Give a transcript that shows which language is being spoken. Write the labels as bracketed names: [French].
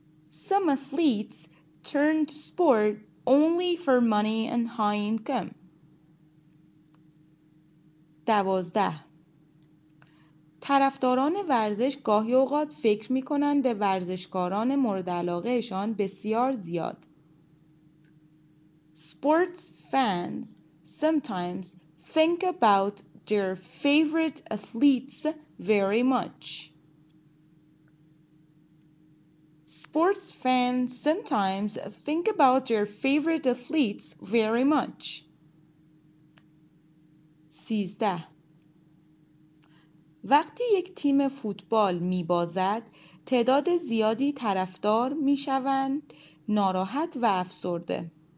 [English] Some athletes turn to sport only for money and high income. 12. [Persian] طرفداران ورزش گاهی اوقات فکر می کنند به ورزشکاران مورد علاقهشان بسیار زیاد. [English] Sports fans sometimes think about their favorite athletes very much. Sports fans sometimes think about their favorite athletes very much. 13. [Persian] وقتی یک تیم فوتبال می بازد، تعداد زیادی طرفدار می شوند ناراحت و افسرده.